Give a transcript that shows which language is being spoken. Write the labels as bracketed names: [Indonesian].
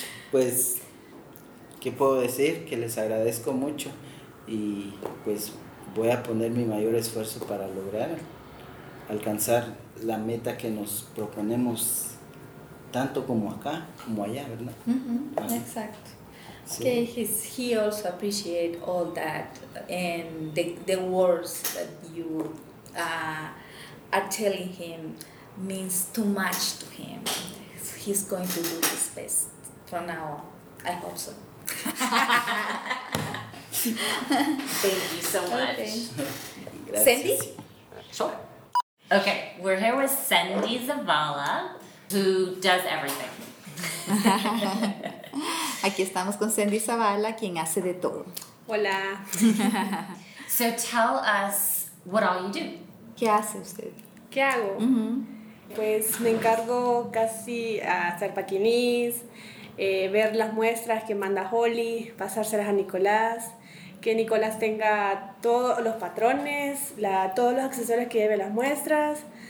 [Spanish] Pues, ¿qué puedo decir? Que les agradezco mucho y pues voy a poner mi mayor esfuerzo para lograr alcanzar la meta que nos proponemos tanto como acá como allá, ¿verdad? Mm-hmm. Exacto. [English] Okay, he also appreciate all that and the words that you are telling him means too much to him. He's going to do his best from now on. I hope so. Thank you so much. Okay. Sandy? Sure. Okay, we're here with Sandy Zavala, who does everything. [Spanish] Aquí estamos con Sandy Zavala, quien hace de todo. Hola. [English] So tell us what all you do. [Spanish] ¿Qué hace usted? ¿Qué hago? Uh-huh. Pues me encargo casi a hacer paquinis, ver las muestras que manda Holly, pasárselas a Nicolás, que Nicolás tenga todos los patrones, todos los accesorios que lleve las muestras.